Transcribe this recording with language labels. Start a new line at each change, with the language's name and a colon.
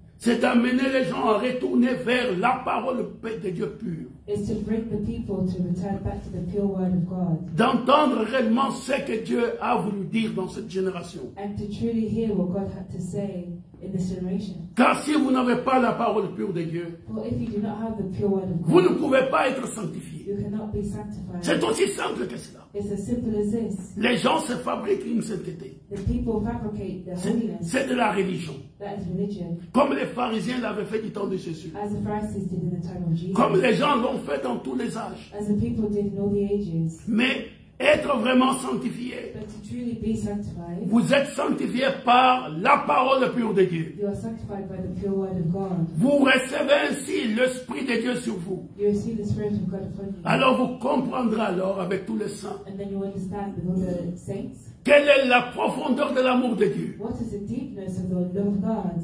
French: C'est d'amener les gens à retourner vers la parole de Dieu pur.
English: It's to bring the people to return back to the pure word of God.
French: D'entendre réellement ce que Dieu a voulu dire dans cette génération.
English: And to truly hear what God had to say in this generation.
French: Car si vous n'avez pas la parole pure de Dieu,
English: well, if you do not have the pure word of God,
French: vous ne pouvez pas être sanctifié.
English: You cannot be sanctified.
French: C'est aussi simple que cela.
English: It's as simple as this.
French: Les gens se fabriquent une sainteté.
English: The people fabricate their holiness.
French: C'est de la religion.
English: That is religion.
French: Comme les pharisiens l'avaient fait du temps de Jésus.
English: As the Pharisees did in the time of Jesus.
French: Comme les gens l'ont fait dans tous les âges.
English: As the people did in all the ages.
French: Mais être vraiment sanctifié,
English: but to truly be sanctified,
French: vous êtes sanctifié par la parole pure de Dieu.
English: You are sanctified by the pure word of God.
French: Vous recevez ainsi l'Esprit de Dieu sur vous.
English: You receive the Spirit of God upon you.
French: Alors vous comprendrez alors avec tous les saints.
English: And then you understand with all the saints.
French: Quelle est la profondeur de l'amour de Dieu?
English: What is the deepness of the love of God?